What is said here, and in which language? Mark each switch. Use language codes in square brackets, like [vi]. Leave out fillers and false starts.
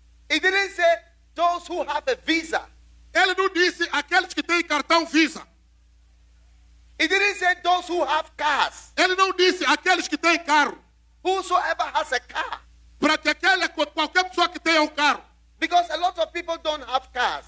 [en] He didn't say those who have a visa. [pt] Ele não disse aqueles que têm cartão Visa. [en] He didn't say those who have cars. [pt] Ele não disse aqueles que têm carro. [en] Whosoever has a car. [pt] Para que aquela, qualquer pessoa que tenha carro. [en] Because a lot of people don't have cars.